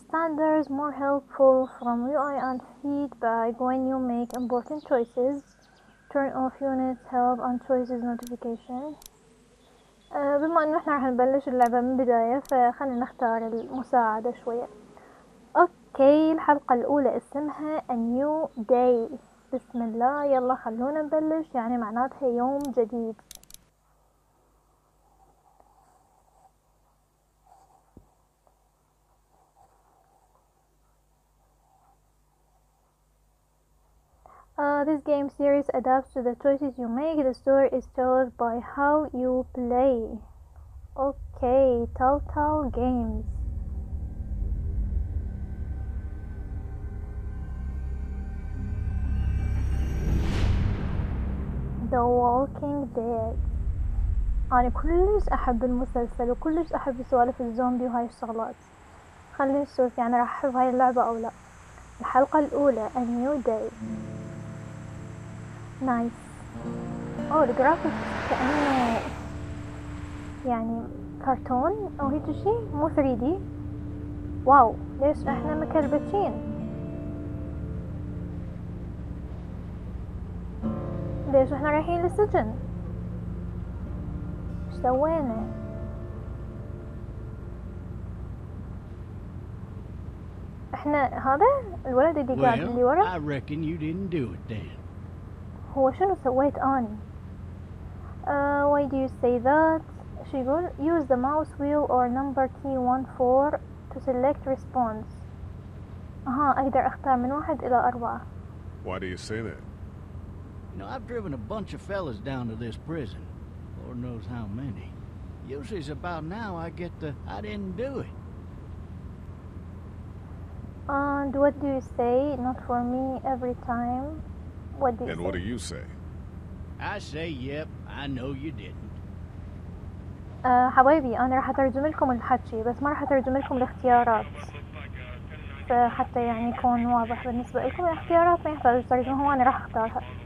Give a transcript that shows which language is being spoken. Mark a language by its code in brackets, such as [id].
[en] Standards more helpful from UI and feedback when you make important choices. Turn off units, help and choices notification. [ar] بما انه احنا راح نبلش اللعبة من بداية، فخلنا نختار المساعدة شوية. Okay, الحلقة الاولى اسمها A New Day. بسم الله، يلا خلونا نبلش، يعني معناتها يوم جديد. [en] This game series adapts to the choices you make. The story is told by how you play. Okay, Telltale Games. The Walking Dead. [ar] أنا كلش أحب المسلسل وكلش أحب سوالف الزومبي وهاي الشغلات. خلينا نشوف يعني راح أحب هاي اللعبة أو لا. الحلقة الأولى A New Day. نايس. أوه الجرافيك كأنه يعني كرتون أو هيك شيء، مو 3D. واو، ليش إحنا مكلبتين؟ ليش إحنا رايحين للسجن؟ إيش سوينا؟ إحنا هذا الولد اللي قاعد اللي ورا. [en] I reckon you didn't do it then. [ar] هو شنو سويت اني؟ [en] why do you say that؟ [ar] شو يقول؟ [en] use the mouse wheel or number key 14 to select response. [ar] اها اقدر اختار من 1 إلى 4. [en] why do you say that؟ you know I've driven a bunch of fellas down to this prison. lord knows how many. usually it's about now I get the I didn't do it. and what do you say؟ not for me every time. What do you say? I say yep, I know you didn't. [ar] حبايبي انا راح اترجم لكم الحكي، بس ما راح اترجم لكم الاختيارات، فحتى يعني يكون واضح بالنسبه لكم. الاختيارات ما يحتاج ترجمه، انا راح اختارها.